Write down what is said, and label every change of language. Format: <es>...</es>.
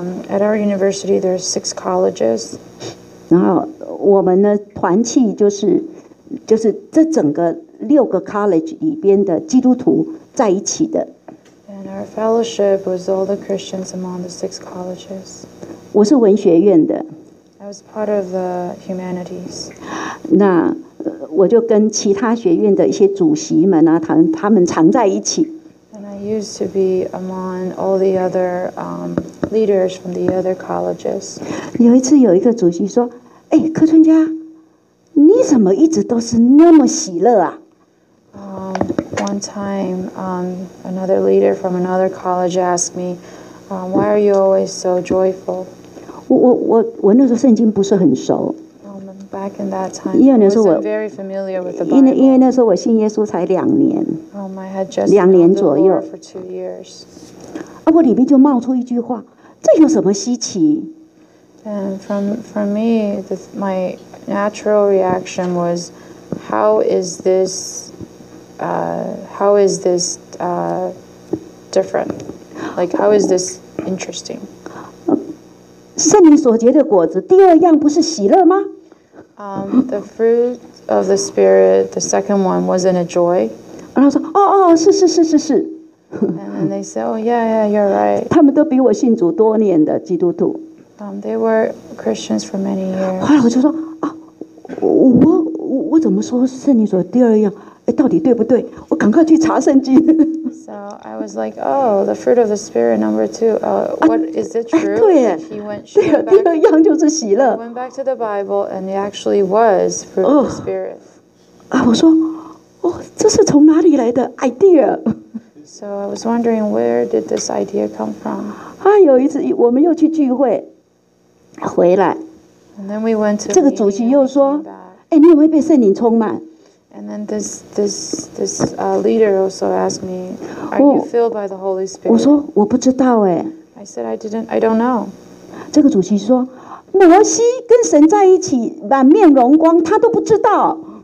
<en>At our university, there's six colleges.</en> <zh>然后我们呢，团契就是这整个六个 college 里边的基督徒在一起的。</zh> <en>And our fellowship was all the Christians among the six colleges.</en> <zh>我是文学院的。</zh> <en>I was part of the humanities.</en> <zh>那我就跟其他学院的一些主席们啊，他们常在一起。</zh> <en>And I used to be among all the other leaders from the other colleges.</en> <zh>有一次有一个主席说，哎，柯春佳，你怎么一直都是那么喜乐啊？</zh> <en>One time, another leader from another college asked me, "Why are you always so joyful?"</en> <zh>我那时候圣经不是很熟。</zh> <en>Back in that time, I wasn't very familiar with the Bible.</en> <zh>因为那时候我信耶稣才两年。</zh> <en>I had just been in the Lord for 2 years.</en> <zh>啊，我里面就冒出一句话，这有什么稀奇？</zh> <en>And for me, my natural reaction was, "How is this?" How is this different? Like, how is this interesting?</en> <zh>圣灵所结的果子，第二样不是喜乐吗？</zh> <en>The fruit of the Spirit, the second one, wasn't a joy.</en> <zh>然后说，哦哦，是是是是是。</zh> <en>And they said, oh yeah, yeah, you're right.</en> <zh>他们都比我信主多年的基督徒。</zh> <en>They were Christians for many years.</en> <zh>后来我就说，啊，我怎么说圣灵所第二样？哎，到底对不对？我赶快去查圣经。</zh> <en>So I was like, oh, the fruit of the spirit number two. What is it true?</en> <zh>对耶。对，第二样就是喜乐。</zh> <en>Went back to the Bible, and it actually was fruit of the spirit.</en> <zh>啊，我说，哦，这是从哪里来的 idea?</zh> <en>So I was wondering where did this idea come from?</en> <zh>啊，有一次我们又去聚会，回来。</zh> <en>And then we went to.</en> <zh>这个主席又说，哎，你有没有被圣灵充满？</zh> <en>And then this leader also asked me, "Are you filled by the Holy Spirit?"</en> <zh>我说我不知道哎。</zh> <en>I said I didn't. I don't know.</en> <zh>这个主席说，摩西跟神在一起，满面荣光，他都不知道。</zh>